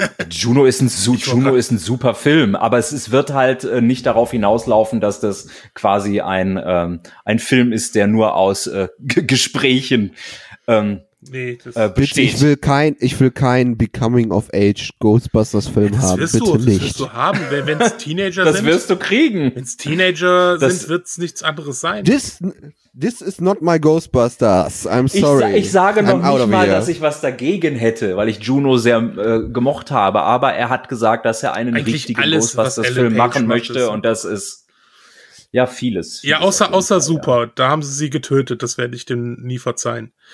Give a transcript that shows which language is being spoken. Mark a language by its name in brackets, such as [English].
[German] Juno ist ein super Film, aber es wird halt nicht darauf hinauslaufen, dass das quasi ein Film ist, der nur aus Gesprächen besteht. Ich will kein Becoming of Age Ghostbusters Film haben. Das wirst du haben, wenn es Teenager das sind. Das wirst du kriegen. Wenn es Teenager das sind, wird es nichts anderes sein. [English] This is not my Ghostbusters. I'm sorry. [German] Ich sage noch nicht mal, dass ich was dagegen hätte, weil ich Juno sehr gemocht habe. Aber er hat gesagt, dass er einen eigentlich richtigen alles, Ghostbusters Film machen möchte. Und das ist ja vieles. Ja, außer super. Ja. Da haben sie getötet. Das werde ich dem nie verzeihen.